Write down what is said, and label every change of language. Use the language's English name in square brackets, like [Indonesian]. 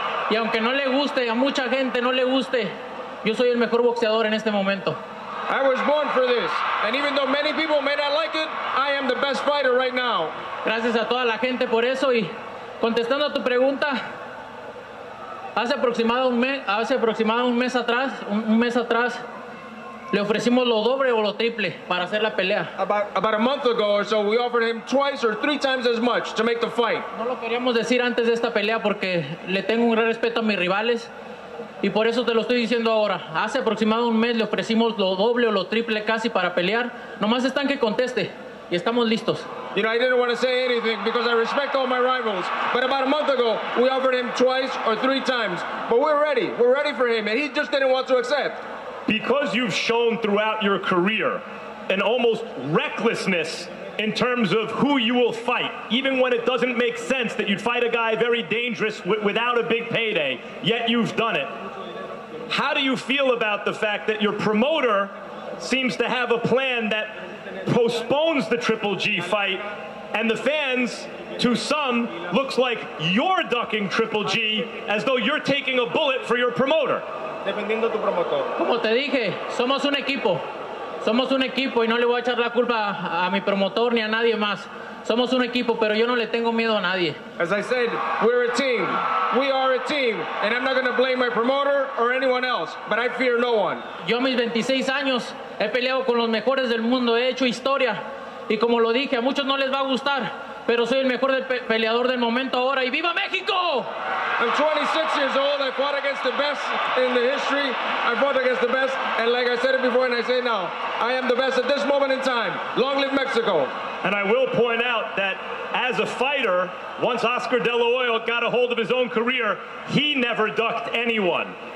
[Spanish] Y aunque no le guste, a mucha gente no le guste, yo soy el mejor boxeador en este momento. [English] I was born for this. And even though many people may not like it, I am the best fighter right now. [Spanish] Gracias a toda la gente por eso. Y contestando a tu pregunta, hace aproximadamente un mes atrás, le ofrecimos lo doble o lo triple para hacer la pelea. [English] About a month ago or so, we offered him twice or three times as much to make the fight. [Spanish] No lo queríamos decir antes de esta pelea porque le tengo un gran respeto a mis rivales y por eso te lo estoy diciendo ahora. Hace aproximadamente un mes le ofrecimos lo doble o lo triple casi para pelear. Nomás están que conteste y estamos listos. [English] You know, I didn't want to say anything because I respect all my rivals. But about a month ago, we offered him twice or three times. But we're ready. We're ready for him and he just didn't want to accept. Because you've shown throughout your career an almost recklessness in terms of who you will fight, even when it doesn't make sense that you'd fight a guy very dangerous without a big payday, yet you've done it. How do you feel about the fact that your promoter seems to have a plan that postpones the Triple G fight, and the fans, to some, looks like you're ducking Triple G as though you're taking a bullet for your promoter? [Spanish] Como te dije, somos un equipo. Somos un equipo y no le voy a echar la culpa a mi promotor ni a nadie más. Somos un equipo, pero yo no le tengo miedo a nadie. [English] As I said, we're a team. We are a team, and I'm not going to blame my promoter or anyone else, but I fear no one. [Spanish] Yo mis 26 años he peleado con los mejores del mundo, he hecho historia, y como lo dije, a muchos no les va a gustar, pero soy el mejor peleador del momento ahora, y ¡viva México! [English] I'm 26 years old, I fought against the best in the history, I fought against the best, and like I said it before and I say it now, I am the best at this moment in time. Long live Mexico! And I will point out that as a fighter, once Oscar De La Hoya got a hold of his own career, he never ducked anyone.